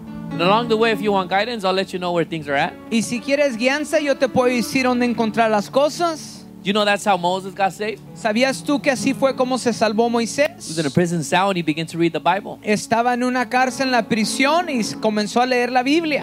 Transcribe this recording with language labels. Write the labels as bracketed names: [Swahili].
[English] And along the way, if you want guidance, I'll let you know where things are at. [Spanish] Y si quieres guianza, yo te puedo decir dónde encontrar las cosas. [English] You know that's how Moses got saved? [Spanish] ¿Sabías tú que así fue como se salvó Moisés? [English] He was in a prison cell and he began to read the Bible. [Spanish] Estaba en una cárcel en la prisión y comenzó a leer la Biblia.